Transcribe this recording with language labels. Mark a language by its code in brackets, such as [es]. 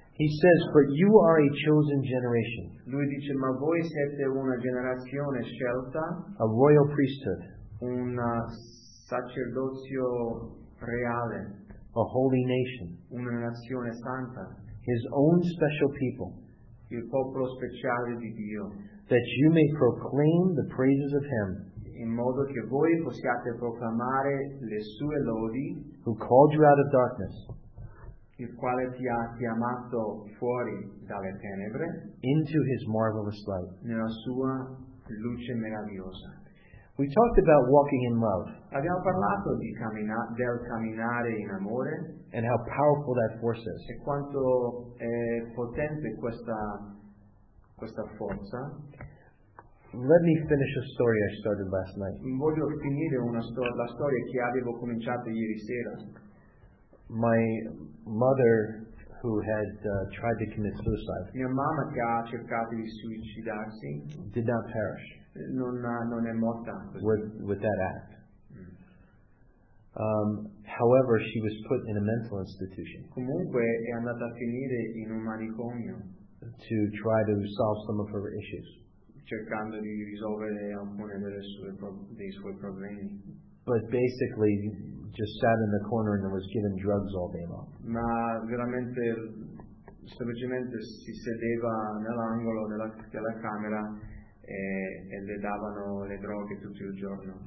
[en] He says, "But you are a chosen generation." [it] Lui dice, ma voi siete una generazione scelta. [en] A royal priesthood. [it] Un sacerdozio reale. [en] A holy nation. [it] Una nazione santa. [en] His own special people. [it] Il popolo speciale di Dio. [en] That you may proclaim the praises of Him. [it] In modo che voi possiate proclamare le sue lodi. [en] Who called you out of darkness. [it] Il quale ti ha chiamato fuori dalle tenebre. [en] Into His marvelous light. [it] Nella sua luce meravigliosa. [en] We talked about walking in love. [it] Abbiamo parlato di del camminare in amore. [en] And how powerful that force is. [it] E quanto è potente questa forza. [en] Let me finish a story I started last night. [it] Voglio finire la storia che avevo cominciato ieri sera. [en] My mother, who had tried to commit suicide, [it] mia mamma che ha cercato di suicidarsi, [en] did not perish. [it] Non è morta [en] with that act. However, she was put in a mental institution. [it] Comunque è andata a finire in un manicomio. [en] To try to solve some of her issues. [it] Cercando di risolvere alcune delle sue problemi. [en] But basically, just sat in the corner and was given drugs all day long. [it] Ma veramente, semplicemente si sedeva nell'angolo della camera e le davano le droghe tutto il giorno.